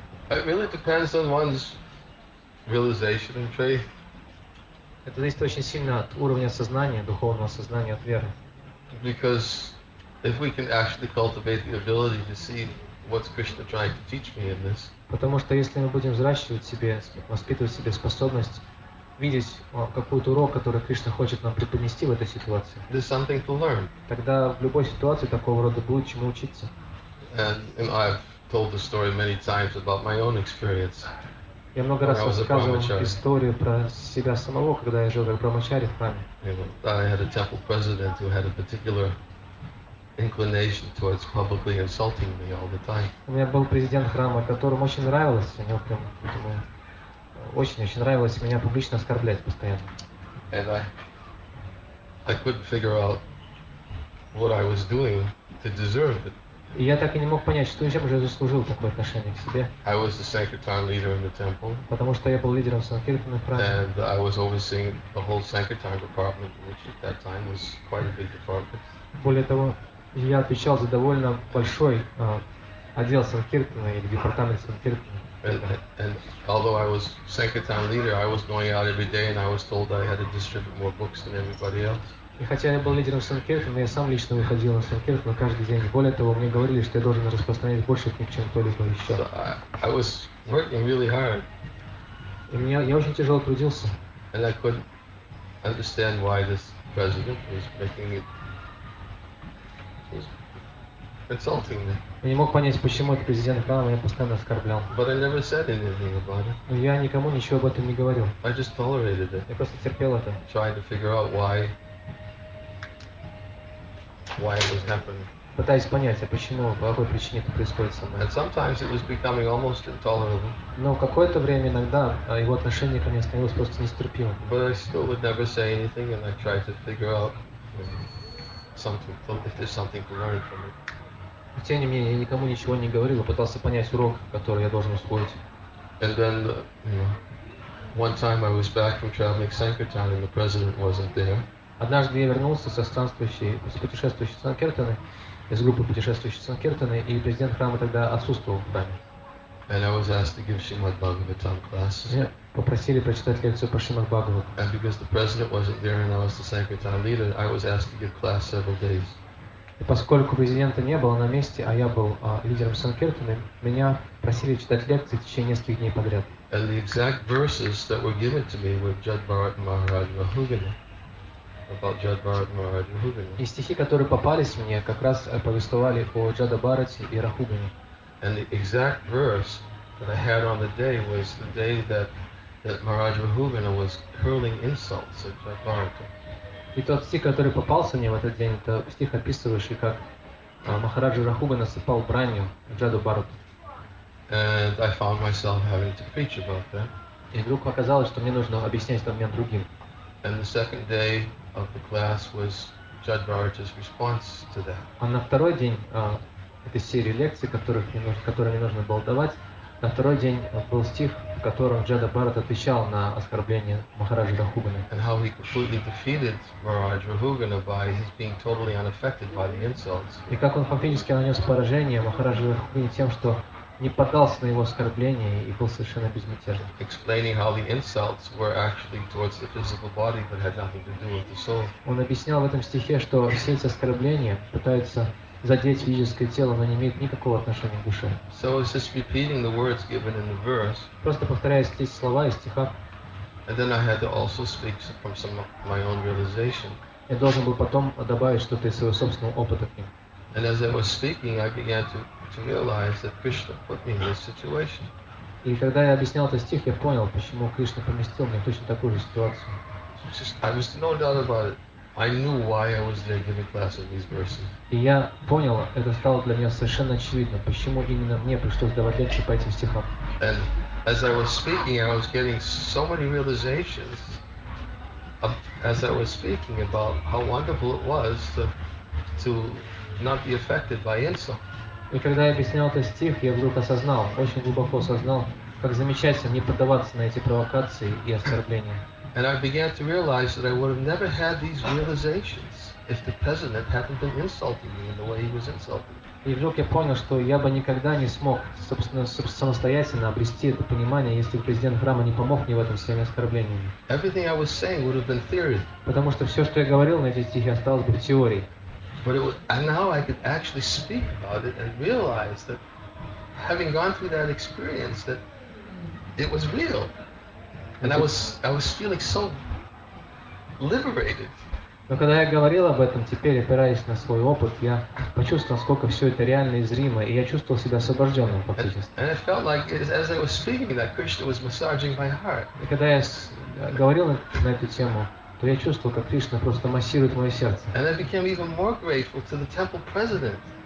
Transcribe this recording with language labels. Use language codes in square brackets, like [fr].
[en] It really depends on one's realization and faith. [ru] Это зависит очень сильно от уровня сознания, духовного сознания, от веры. [en] Because if we can actually cultivate the ability to see what's Krishna trying to teach me in this. [ru] Потому что если мы будем взращивать себе, воспитывать себе способность видеть какой-то урок, который Кришна хочет нам преподнести в этой ситуации. [en] There's something to learn. [ru] Тогда в любой ситуации такого рода будет чему учиться. [en] And I've told the story many times about my own experience. [ru] Я много раз рассказывал историю про себя самого, когда я жил как брамачари в храме. [en] I had a temple president who had a particular inclination towards publicly insulting me all the time. [ru] У меня был президент храма, которому очень нравилось, у него прям, думаю, очень-очень нравилось меня публично оскорблять постоянно. [en] And I couldn't figure out what I was doing to deserve it. [ru] И я так и не мог понять, что я уже заслужил такое отношение к себе. [en] I was the Sankirtan leader in the temple. [ru] Потому что я был лидером Санкиртаны в храме. [en] And I was overseeing the whole Sankirtan department, which at that time was quite a big department. [ru] Более того, я отвечал за довольно большой отдел Санкиртаны или департамент Санкиртаны. [en] And although I was Sankirtan leader, I was going out every day and I was told I had to distribute more books than everybody else. [ru] И хотя я был лидером Санкиртаны, я сам лично выходил на Санкиртану каждый день. Более того, мне говорили, что я должен распространять больше книг, чем кто-либо еще. [en] So I was working really hard. [ru] И мне, я очень тяжело трудился. [en] And I couldn't understand why this president was making it. Insulting me. [ru] Я не мог понять, почему этот президент храма меня постоянно оскорблял. [en] But I never said anything about it. [ru] Но я никому ничего об этом не говорил. [en] I just tolerated it. [ru] Я просто терпел это. [en] Trying to figure out why it was happening. [ru] Пытаясь понять, а почему, по какой причине это происходит со мной. [en] And sometimes it was becoming almost intolerable. [ru] Но какое-то время иногда его отношение ко мне становилось просто нестерпимым. [en] But I still would never say anything, and I tried to figure out something, if there's something to learn from it. [ru] Тем не менее, я никому ничего не говорил, а пытался понять урок, который я должен усвоить. [en] And then, one time I was back from traveling Sankirtan and the president wasn't there. [ru] Однажды я вернулся со странствующей, с путешествующей Санкиртаны, из группы путешествующих Санкиртаны, и президент храма тогда отсутствовал в храме. [en] And I was asked to give Srimad Bhagavatam class. [ru] Меня попросили прочитать лекцию по Шримад Бхагаватам. [en] And because the president wasn't there and I was the Sankirtan leader, I was asked to give class several days. [ru] И поскольку президента не было на месте, а я был лидером Санкиртаны, меня просили читать лекции в течение нескольких дней подряд. [en] And the exact verses that were given to me were Jadbharat Maharaj Mahugana. About Jadbharat Maharaj Mahugana. [ru] И стихи, которые попались мне, как раз повествовали о Джадабарате и Рахугане. [en] And the exact verse that I had on the day was the day that Maharaj Mahugana was hurling insults at Jadbharata. [ru] И тот стих, который попался мне в этот день, это стих, описывающий, как Махараджа Рахуга насыпал бранью Джаду Бхарату. [en] And I found myself having to preach about that. [ru] И вдруг оказалось, что мне нужно объяснять этот момент другим. [en] And the second day of the class was Jadbharata's response to that. [ru] А на второй день этой серии лекций, которые мне нужно было давать, на второй день был стих, в котором Джада Бхарат отвечал на оскорбление Махараджи Рахугана. [en] And how he completely defeated Maharaj Rahugana by his being totally unaffected by the insults. [ru] И как он фактически нанес поражение Махараджи Рахугане тем, что не поддался на его оскорбление и был совершенно безмятежен. [en] Explaining how the insults were actually towards the physical body, but had nothing to do with the soul. [ru] Он объяснял в этом стихе, что все эти оскорбления пытаются задеть физическое тело, но не имеет никакого отношения к душе. [en] So it's just repeating the words given in the verse. [ru] Просто повторяя эти слова из стиха. [en] And then I had to also speak from some of my own realization. [ru] Я должен был потом добавить что-то из своего собственного опыта к ним. [en] And as I was speaking, I began to realize that Krishna put me in this situation. [ru] И когда я объяснял этот стих, я понял, почему Кришна поместил меня в точно такую же ситуацию. [en] I was no doubt about it. I knew why I was there giving class on these verses. [ru] И я понял, это стало для меня совершенно очевидно, почему именно мне пришлось давать лекцию по этим стихам. [en] And as I was speaking, I was getting so many realizations as I was speaking about how wonderful it was to not be affected by insult. [ru] И когда я объяснял этот стих, я вдруг осознал, очень глубоко осознал, как замечательно не поддаваться на эти провокации и оскорбления. [en] And I began to realize that I would have never had these realizations if the president hadn't been insulting me in the way he was insulting me. [ru] И вдруг я понял, что я бы никогда не смог самостоятельно обрести это понимание, если президент Храма не помог мне в этом своими оскорблениями. [en] Everything I was saying would have been theory. [ru] Потому что все, что я говорил на эти стихи, осталось бы в теории. [en] But it was, and now I could actually speak about it and realize that, having gone through that experience, that it was real. And I was feeling so liberated. [ru] Но когда я говорил об этом, теперь опираясь на свой опыт, я почувствовал, сколько все это реально и зримо, и я чувствовал себя освобожденным фактически. [en] And it felt like as I was speaking that Krishna was massaging my heart. [ru] И когда я говорил на эту тему, то я чувствовал, как Кришна просто массирует мое сердце. [en] And I became even more grateful to the temple president.